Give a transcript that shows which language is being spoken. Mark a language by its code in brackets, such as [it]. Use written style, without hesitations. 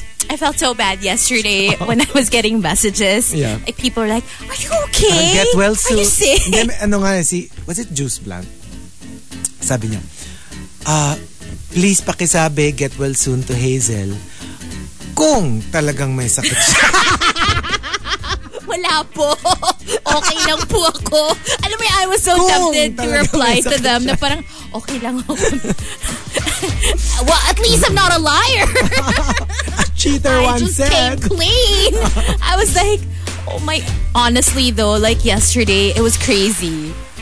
[en] I felt so bad yesterday when I was getting messages. Yeah. Like people were like, are you okay? Get well soon. Are you sick? Then, [tl] ano nga, [en] was it Juice Blanc? [tl] Sabi niya, please pakisabi, [en] get well soon to Hazel. [tl] Kung talagang may sakit siya. Wala po. Okay lang po ako. Alam mo, [en] I was so tempted to reply to them [tl] siya, na parang, okay lang ako. [en] Well, at least I'm not a liar. A cheater once said. I just came clean. I was like, oh my, honestly though, like yesterday, it was crazy.